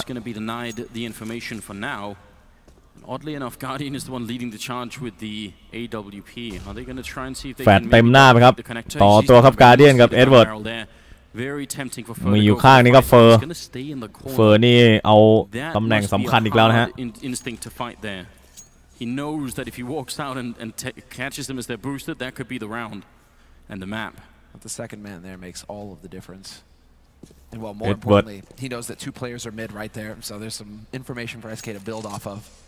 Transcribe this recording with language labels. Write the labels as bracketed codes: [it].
[en] It's going to be denied the information for now. And oddly enough, Guardian is the one leading the charge with the AWP. Are they going to try and see if they can make the connector? [th] แฟนเต็มหน้าไปครับต่อตัวครับ Guardian กับ Edward. [en] Very tempting for Fur. [th] มีอยู่ข้างนี้ครับ Fur. Fur นี่เอาตำแหน่งสำคัญอีกแล้วนะฮะ [en] Instinct to fight there. He knows that if he walks out and catches them as they're boosted, that could be the round and the map. But the second man there makes all of the difference. And well, more importantly, he knows that two players are mid right there, so there's some information for SK to build off of.